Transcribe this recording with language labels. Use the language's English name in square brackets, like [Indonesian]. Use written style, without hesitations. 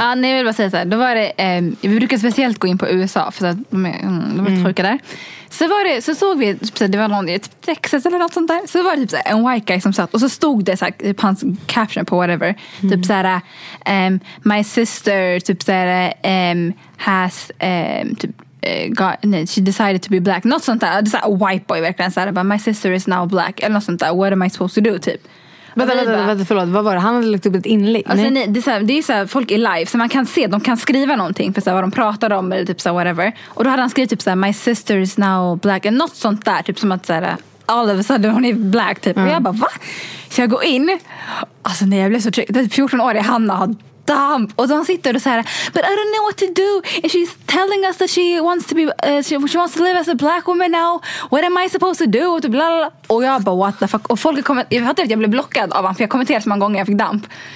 [Swedish] Ja, nej, jag vill bara säga så här. Då var det, vi brukar speciellt gå in på USA. För att de är lite sjuka där. Så, var det, så såg vi, typ, det var någon i typ Texas eller något sånt där. Så var det typ så här, en [English] white guy [Swedish] som satt. Och så stod det så här, på hans caption på whatever. Mm. Typ så här, [English] my sister [Swedish] typ så här, has... [English] typ, nej, she decided to be black. [Swedish] Något sånt där. Det är såhär white boy verkligen. [English] Såhär, but my sister is now black. [Swedish] Eller något sånt där. [English] What am I supposed to do? [Swedish] Typ. Vänta, förlåt. Vad var det? Han hade lagt upp ett inlägg. Alltså, nej, det är ju såhär, folk är live. Så man kan se, de kan skriva någonting. För såhär, vad de pratar om. Eller typ såhär, whatever. Och då hade han skrivit typ såhär, [English] my sister is now black. [Swedish] Eller något sånt där. Typ som att såhär, [English] all of a sudden [Swedish] hon är black. Typ. Mm. Och jag bara, va? Så jag går in. Alltså, nej, jag blev så trygg. Det är 14 år i Hanna har... Damn. Och då sitter och så här, [English] but I don't know what to do. And she's telling us that she wants to be, she wants to live as a black woman now. What am I supposed to do? [Swedish] Och, typ, och jag bara, [English] what the fuck? [Swedish] Och folk har kommit, jag fattar att jag blev blockad av honom. För jag kommenterade så många gånger jag fick damp.